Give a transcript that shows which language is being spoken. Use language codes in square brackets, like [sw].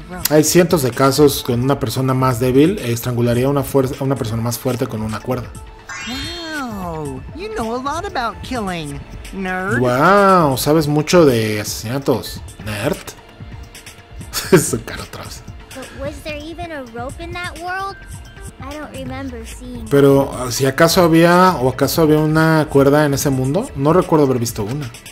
[es] Hay cientos de casos con una persona más débil estrangularía una persona más fuerte con una cuerda. [en] Wow, you know a lot about killing, nerd. [es] Wow, sabes mucho de asesinatos, nerd. Su cara otra vez. [en] But was there even a rope in that world? I don't remember seeing. [es] Pero si acaso había o acaso había una cuerda en ese mundo, no recuerdo haber visto una.